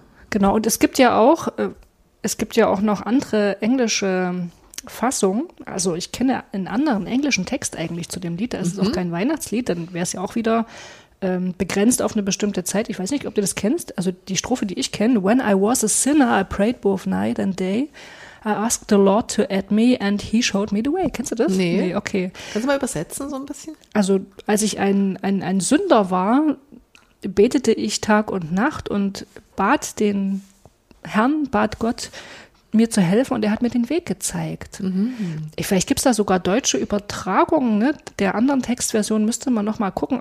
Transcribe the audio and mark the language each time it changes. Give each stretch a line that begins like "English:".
German: Genau, und es gibt ja auch noch andere englische Fassungen. Also ich kenne einen anderen englischen Text eigentlich zu dem Lied. Da ist es auch kein Weihnachtslied, dann wäre es ja auch wieder begrenzt auf eine bestimmte Zeit. Ich weiß nicht, ob du das kennst. Also die Strophe, die ich kenne,
English: When I was a sinner, I prayed both night and day. I asked the Lord to add me and he showed me the way.
German: Kennst du das? Nee, okay. Kannst du mal übersetzen so ein bisschen? Also als ich ein Sünder war, betete ich Tag und Nacht und bat den Herrn, bat Gott, mir zu helfen und er hat mir den Weg gezeigt. Mhm. Vielleicht gibt es da sogar deutsche Übertragungen, ne? Der anderen Textversion müsste man nochmal gucken.